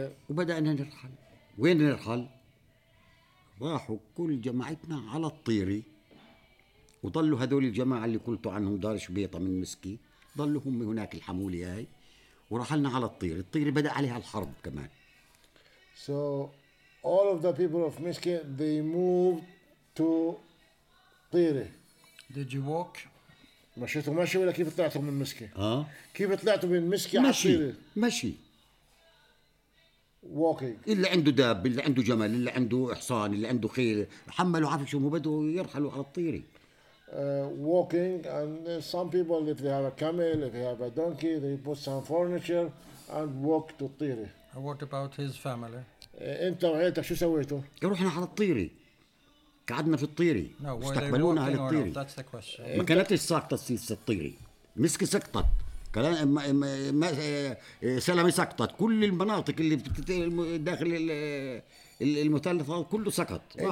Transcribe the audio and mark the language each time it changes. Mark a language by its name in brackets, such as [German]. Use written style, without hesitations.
[Arabic] وبدأنا نرحل وين نرحل راحوا كل جماعتنا على الطيري وظلوا هذول الجماعة اللي قلت عنهم دار شبيطة من مسكي ظلوا هم هناك الحمولة هاي ورحلنا على الطيري الطيري بدأ عليها الحرب كمان [English] so all of the people of Miski they moved to طيري did you walk [Arabic] مشيتوا مشي ولا كيف طلعتوا من مسكي ها كيف طلعتوا من مسكي مشي على الطيري مشي [English] Walking. [Arabic] اللي عنده داب اللي عنده جمل اللي عنده حصان اللي عنده خيل حملوا عفش وبدوا يرحلوا على الطيري [English] walking and some people if they have a camel if they have a donkey they put some furniture and walk to الطيري what about his family [Arabic] انت وعيلتك شو سويتوا رحنا على الطيري قعدنا في الطيري [English] no, [Arabic] استقبلونا على الطيري ما كانت ساقطة سيسة الطيري مسك سقطت كلام ما سلم سقطت كل المناطق اللي داخل المثلث كله سقط